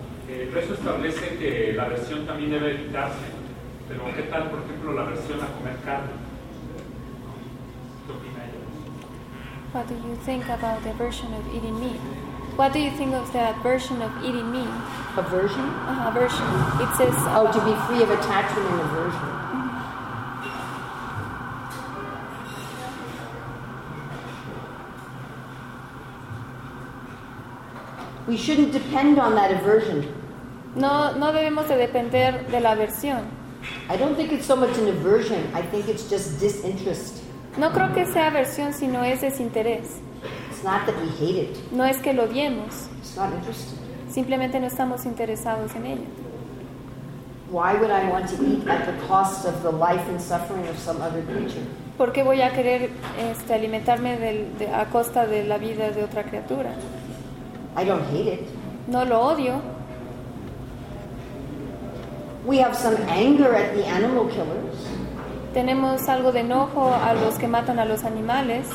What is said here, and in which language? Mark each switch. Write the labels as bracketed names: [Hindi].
[Spanish] El rezo establece que la aversión también debe evitarse, pero ¿qué tal, por ejemplo, la aversión a comer carne? ¿Qué opina ella? [English] What do you think about the aversion of eating meat? What do you think of the aversion of eating meat? Aversion? Aversion. It says oh, to be free of attachment and aversion. We shouldn't depend on that aversion. [Spanish] No debemos de depender de la aversión. [English] I don't think it's so much an aversion. I think it's just disinterest. [Spanish] No creo que sea aversión, sino es desinterés. [English] It's not that we hate it. [Spanish] No es que lo odiemos. [English] It's not interesting. [Spanish] Simplemente no estamos interesados en ello. [English] Why would I want to eat at the cost of the life and suffering of some other creature? [Spanish] ¿Por qué voy a querer alimentarme a costa de la vida de otra criatura? [English] I don't hate it. [Spanish] No lo odio. [English] We have some anger at the animal killers. [Spanish] Tenemos algo de enojo a los que matan a los animales.